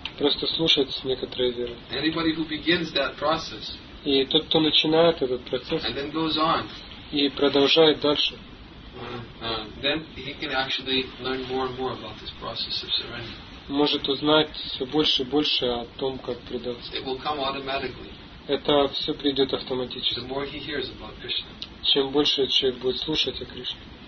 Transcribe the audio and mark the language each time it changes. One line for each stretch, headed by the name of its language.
Russian: Просто слушать с некоторой верой.
English: Anybody who begins that process,
Russian: и тот, кто начинает этот процесс
English: and then goes on,
Russian: и продолжает дальше,
English: then he can actually learn more and more about this process of surrender.
Russian: Может узнать все больше и больше о том, как предаться.
English: It will come automatically.
Russian: Это все придет автоматически.
English: The more he hears about Krishna.
Russian: Чем больше человек будет слушать о Кришне.